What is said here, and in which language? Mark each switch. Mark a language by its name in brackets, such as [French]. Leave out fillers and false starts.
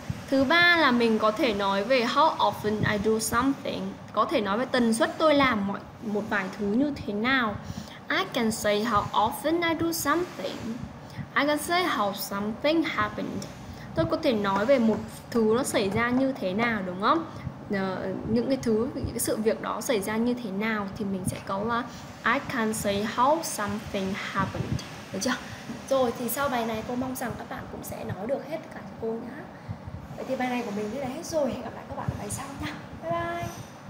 [Vietnamese] Thứ ba là mình có thể nói về [English] how often I do something. [Vietnamese] Có thể nói về tần suất tôi làm một vài thứ như thế nào. [English] I can say how often I do something. I can say how something happened. [Vietnamese] Tôi có thể nói về một thứ nó xảy ra như thế nào, đúng không? Những cái sự việc đó xảy ra như thế nào thì mình sẽ có là [English] I can say how something happened. [Vietnamese] Được chưa? Rồi thì sau bài này cô mong rằng các bạn cũng sẽ nói được hết cả cho cô nhá. Vậy thì bài này của mình đây là hết rồi. Hẹn gặp lại các bạn ở bài sau nha. Bye bye.